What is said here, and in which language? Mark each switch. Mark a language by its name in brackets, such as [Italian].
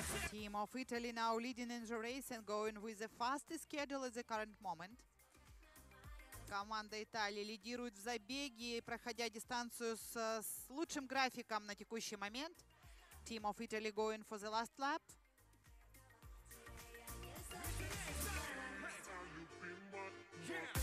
[English] Team of Italy now leading in the race and going with the fastest schedule at the current moment. [Russian] Команда Италии лидирует в забеге, проходя дистанцию с лучшим графиком на текущий момент. [English] Team of Italy going for the last lap. Yeah.